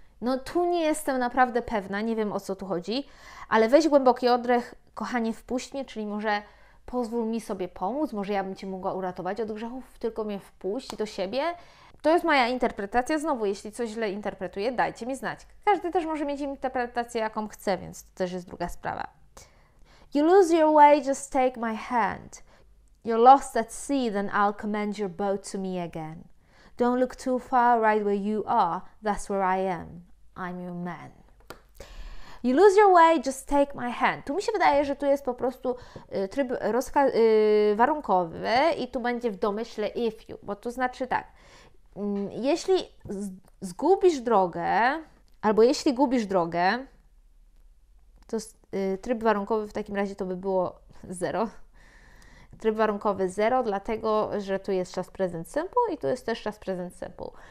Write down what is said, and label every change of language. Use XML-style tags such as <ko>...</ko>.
<pl>No tu nie jestem naprawdę pewna, nie wiem o co tu chodzi, ale weź głęboki oddech, kochanie, wpuść mnie, czyli może pozwól mi sobie pomóc, może ja bym Cię mogła uratować od grzechów, tylko mnie wpuść do siebie. To jest moja interpretacja, znowu, jeśli coś źle interpretuję, dajcie mi znać. Każdy też może mieć interpretację jaką chce, więc to też jest druga sprawa.</pl> <en>You lose your way, just take my hand. You're lost at sea, then I'll commend your boat to me again. Don't look too far right where you are, that's where I am. I'm your man. You lose your way, just take my hand.</en> <pl>Tu mi się wydaje, że tu jest po prostu tryb warunkowy i tu będzie w domyśle</pl> <en>if you,</en> <pl>bo to znaczy tak, jeśli zgubisz drogę, albo jeśli gubisz drogę, to Tryb warunkowy w takim razie to by było 0. Tryb warunkowy 0, dlatego że tu jest czas present simple i tu jest też czas present simple.</pl>